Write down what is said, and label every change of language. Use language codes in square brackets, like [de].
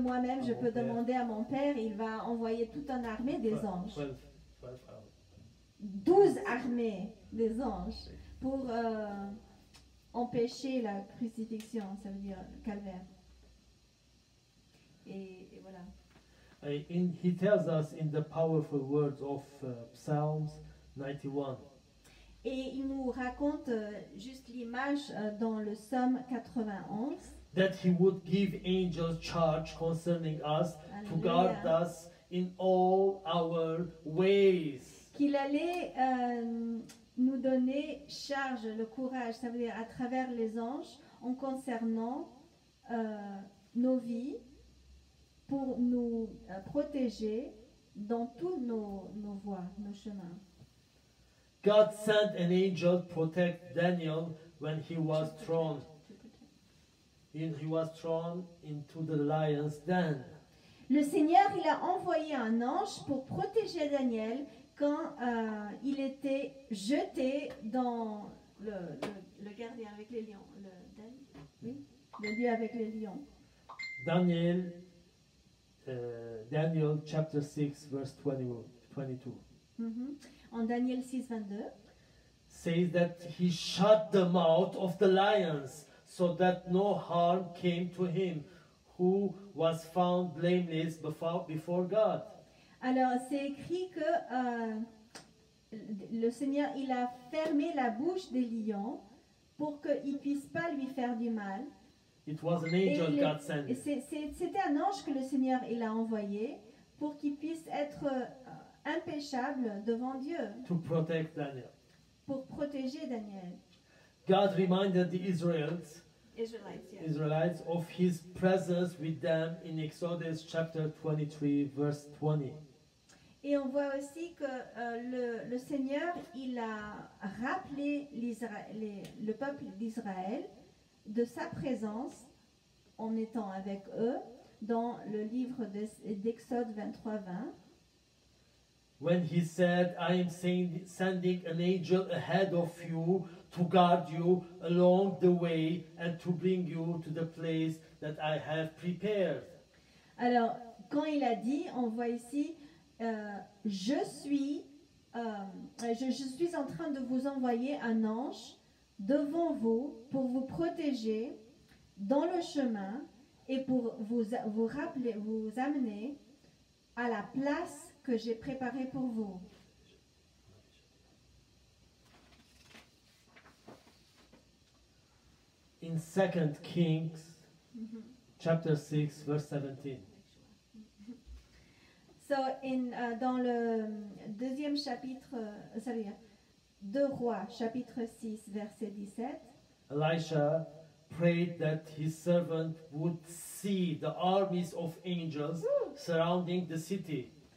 [fr] moi-même, je peux demander à mon Père, il va envoyer toute une armée des anges. 12 armées des anges pour empêcher la crucifixion, ça veut dire calvaire. et voilà. [en] He tells us in the powerful words of Psalms 91. [fr] Et il nous raconte juste l'image dans le psaume 91. [en] That he would give angels charge concerning us. Alléluia. To guard us in all our ways. [fr] Qu'il allait nous donner charge, le courage, ça veut dire à travers les anges, en concernant nos vies, pour nous protéger dans tous nos voies, nos chemins. [en] God sent an angel to protect Daniel when he was thrown. He was thrown into the lion's den. [fr] Le Seigneur, il a envoyé un ange pour protéger Daniel quand il était jeté dans le gardien avec les lions. Le lion avec les lions. [en] Daniel chapter 6, verse 22. [fr] En Daniel 6, 22. [en] Says that he shut the mouth of the lions so that no harm came to him who was found blameless before God. [fr] Alors, c'est écrit que le Seigneur, il a fermé la bouche des lions pour qu'ils ne puissent pas lui faire du mal. [en] It was an angel God sent. [fr] C'était un ange que le Seigneur il a envoyé pour qu'il puisse être impeccable devant Dieu. [en] To protect Daniel. [fr] Pour protéger Daniel. [en] God reminded the Israelites, yeah. Israelites of his presence with them in Exodus chapter 23 verse 20. [fr] Et on voit aussi que le Seigneur il a rappelé le peuple d'Israël de sa présence en étant avec eux dans le livre d'Exode 23:20. [en] When he said, I am sending an angel ahead of you to guard you along the way and to bring you to the place that I have prepared. [fr] Alors, quand il a dit, on voit ici, je suis en train de vous envoyer un ange devant vous pour vous protéger dans le chemin et pour vous rappeler, vous amener à la place que j'ai préparée pour vous. [en] In 2 Kings chapter 6 verse 17. So in [fr] dans le deuxième chapitre, ça veut dire Deux Rois, chapitre 6, verset 17. [en] Elisha prayed that his servant would see the armies of angels surrounding the city.